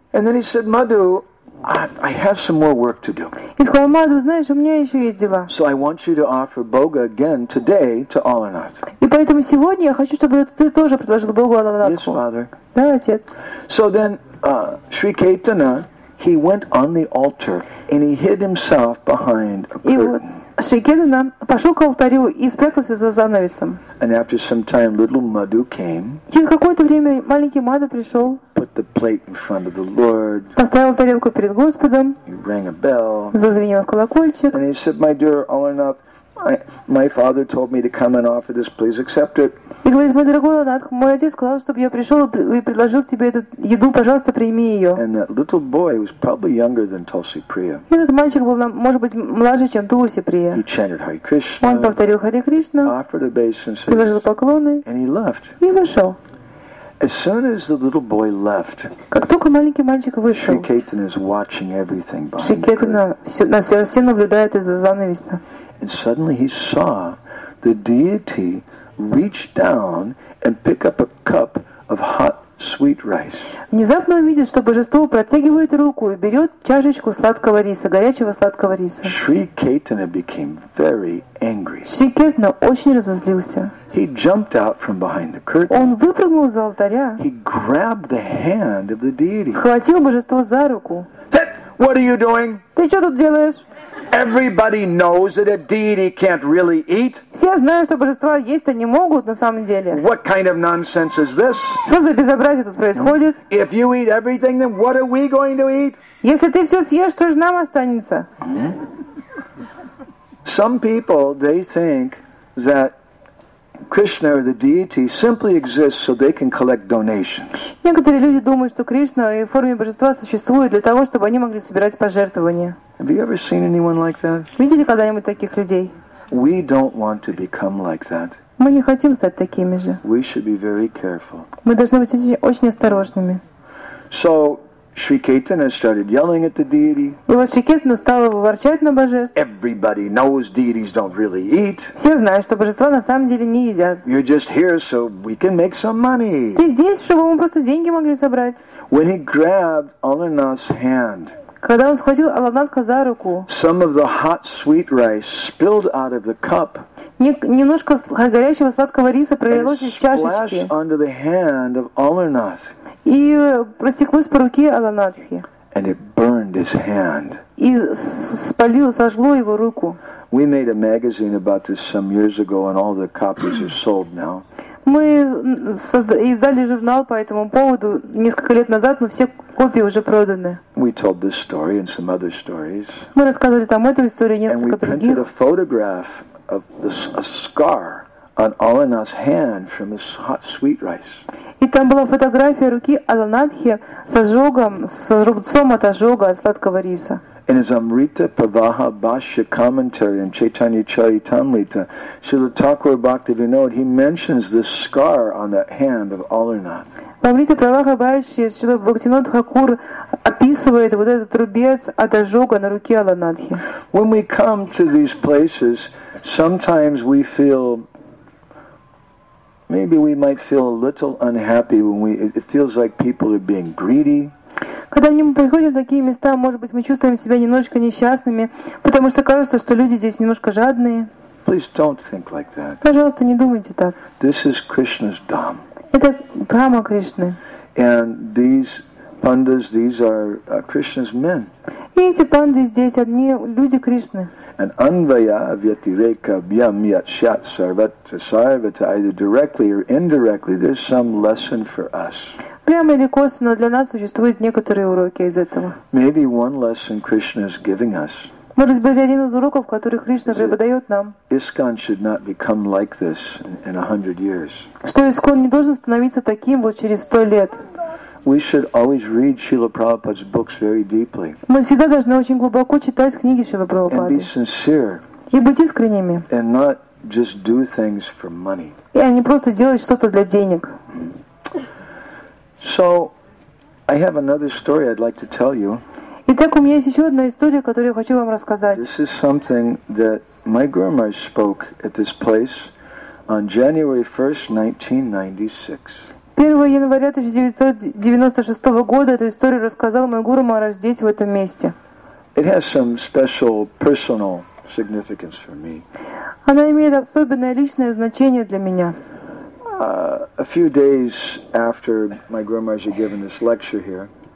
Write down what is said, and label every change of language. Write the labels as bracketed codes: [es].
[en] And then he said, "Madhu, I have some more work to do." [ru] И сказал, Madhu, знаешь, у меня еще есть дела. [en] So I want you to offer Boga again today to Alarnath. [ru] И поэтому сегодня я хочу, чтобы ты тоже предложил Богу Алланатху. [en] Yes, father. [ru] Да, отец. [en] So then, Shri Ketana, he went on the altar and he hid himself behind a curtain. [ru] И вот Шри Кетана пошел к алтарю и спрятался за занавесом. [en] And after some time, little Madhu came. [ru] Через какое-то время маленький Madhu пришел. [en] Put the plate in front of the Lord. [ru] Поставил тарелку перед Господом. [en] He rang a bell. [ru] Зазвенел колокольчик. [en] And he said, "My dear Alarnath, my father told me to come and offer this. Please accept it." [ru] И говорит, мой дорогой Аланатх, мой отец сказал, чтобы я пришел и предложил тебе эту еду, пожалуйста, прими ее. [en] And that little boy was probably younger than Tulsi Priya. [ru] И этот мальчик был, может быть, младше, чем Тулси Прия. [en] He chanted Hare Krishna. [ru] Он повторил Харе Кришна. [en] Offered obeisances. [ru] Предложил поклоны. [en] And he left. [ru] И вышел. [en] As soon as the little boy left, [ru] как только маленький мальчик вышел, [en] Shri Ketana is watching everything behind [ru] Shri Ketana все наблюдает из-за занавеса. [en] And suddenly he saw the deity reach down and pick up a cup of hot sweet rice. [ru] Внезапно он видит, что божество протягивает руку и берет чашечку сладкого риса, горячего сладкого риса. [en] Shri Ketana became very angry. [ru] Shri Ketana очень разозлился. [en] He jumped out from behind the curtain. [ru] Он выпрыгнул из алтаря. [en] He grabbed the hand of the deity. [ru] Схватил божество за руку. [en] What are you doing? [ru] Ты что тут делаешь? [en] Everybody knows that a deity can't really eat. [ru] Все знают, что божества есть-то не могут на самом деле. [en] What kind of nonsense is this? [ru] Что за безобразие тут происходит? [en] If you eat everything, then what are we going to eat? [ru] Если ты все съешь, что же нам останется? [en] Some people, they think that Krishna or the deity simply exists so they can collect donations. [ru] Некоторые люди думают, что Кришна в форме божества существует для того, чтобы они могли собирать пожертвования. [en] Have you ever seen anyone like that? [ru] Видели когда-нибудь таких людей? [en] We don't want to become like that. [ru] Мы не хотим стать такими же. [en] We should be very careful. [ru] Мы должны быть очень осторожными. [en] So Shri Ketana started yelling at the deity. [ru] И вот Шри Кетана стала ворчать на божество. [en] Everybody knows deities don't really eat. [ru] Все знают, что божества на самом деле не едят. [en] You're just here so we can make some money. [ru] Ты здесь, чтобы мы просто деньги могли собрать. [en] When he grabbed Alarnath's hand. [ru] Когда он схватил Алладнатха за руку. [en] Some of the hot sweet rice spilled out of the cup. [ru] Немножко горячего сладкого риса пролилось из чашечки. [en] Splashed onto the hand of Alarnath. [ru] И простеклось по руке Алладнатхи. [en] And it burned his hand. [ru] И спалило, сожгло его руку. [en] We made a magazine about this some years ago, and all the copies are sold now. [ru] Мы издали журнал по этому поводу несколько лет назад, но все копии уже проданы. [en] We told this story and some other stories. [ru] Мы рассказывали там эту историю и несколько других. [en] And we printed a photograph of this, a scar on Alana's hand from this hot sweet rice. [ru] И там была фотография руки Алладнатхи с ожогом, с рубцом от ожога от сладкого риса. [en] In his Amrita Pavaha Bhashya commentary in Chaitanya Charitamrita, Srila Thakur Bhaktivinoda, he mentions this scar on the hand of Alarnath. [ru] В Амрите Праваха Бхашья Шрила Бхактивинод Хакур описывает вот этот рубец от ожога на руке Алладнатхи. [en] When we come to these places, sometimes we feel maybe we might feel a little unhappy when we it feels like people are being greedy. [ru] Когда мы приходим в такие места, может быть, мы чувствуем себя немножко несчастными, потому что кажется, что люди здесь немножко жадные. [en] Please don't think like that. [ru] Пожалуйста, не думайте так. [en] This is Krishna's dham. [ru] Это дхама Кришны. [en] And these pandas, these are Krishna's men. [ru] И эти панды здесь одни люди Кришны. [en] And [sa] anvaya vyatireka bhyam yat shat sarvatra sarvata, [en] either directly or indirectly, there's some lesson for us. [ru] Прямо или косвенно для нас существуют некоторые уроки из этого. [en] Maybe one lesson Krishna is giving us. [ru] Может быть, один из уроков, который Кришна преподает нам. [en] ISKCON should not become like this in 100 years. [ru] Что ISKCON не должен становиться таким вот через 100 лет. [en] We should always read Srila Prabhupada's books very deeply. [ru] Мы всегда должны очень глубоко читать книги Шрилы Прабхупады. [en] And be sincere. [ru] И быть искренними. [en] And not just do things for money. [ru] И не просто делать что-то для денег. [en] So, I have another story I'd like to tell you. [ru] Итак, у меня есть еще одна история, которую я хочу вам рассказать. [en] This is something that my grandma spoke at this place on January 1st, 1996. [ru] 1 января 1996 года эту историю рассказал мой гуру Махарадж здесь, в этом месте. [en] It has some special personal significance for me. [ru] Она имеет особенное личное значение для меня. [en] A few days after my grandmother had given this lecture here.